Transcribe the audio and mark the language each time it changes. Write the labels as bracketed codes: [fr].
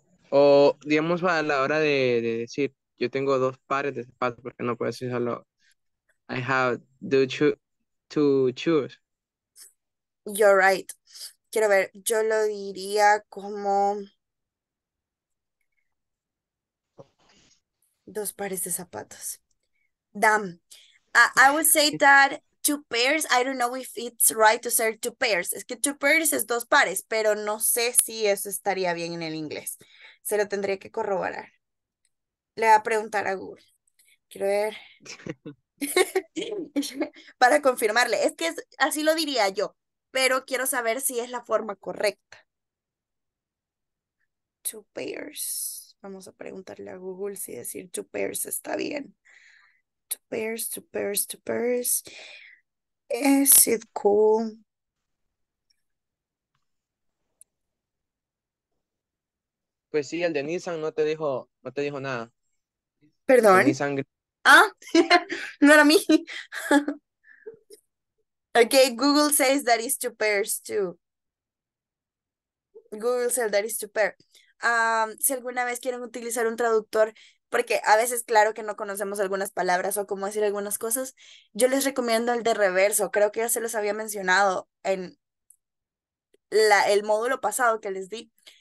[es] O digamos a la hora de decir yo tengo dos pares de zapatos, porque no puedo decir solo [en] I have two shoes. You're right. [es] Quiero ver, yo lo diría como dos pares de zapatos. [en] Damn. I would say that two pairs, I don't know if it's right to say two pairs. [es] Es que two pairs es dos pares, pero no sé si eso estaría bien en el inglés. Se lo tendría que corroborar. Le voy a preguntar a Google. Quiero ver. Para confirmarle. Es que así lo diría yo, pero quiero saber si es la forma correcta. Two pairs. Vamos a preguntarle a Google si decir two pairs está bien. [en] Two pairs. Is it cool? [es] Pues sí, el de Nissan no te dijo nada. Perdón. El Nissan. Ah, no era mí. [en] Okay, Google says that is two pairs too. Google says that is two pair. [es] Si alguna vez quieren utilizar un traductor, porque a veces, claro que no conocemos algunas palabras o cómo decir algunas cosas, yo les recomiendo el de reverso. Creo que ya se los había mencionado en el módulo pasado que les di.